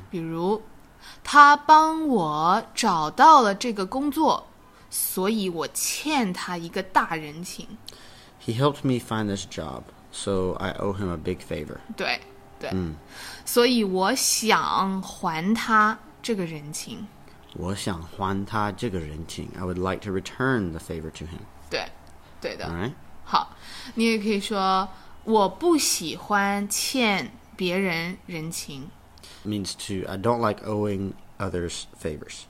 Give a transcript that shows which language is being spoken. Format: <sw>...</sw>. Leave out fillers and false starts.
<zh>比如他帮我找到了这个工作，所以我欠他一个大人情。</zh> <en>He helped me find this job, so I owe him a big favor.</en> <zh>对，对。所以我想还他这个人情。我想还他这个人情。</zh> <en>I would like to return the favor to him.</en> <zh>对，对的。</zh> <en>All right.</en> <zh>好，你也可以说我不喜欢欠别人人情。</zh> <en>Means to, I don't like owing others favors.</en>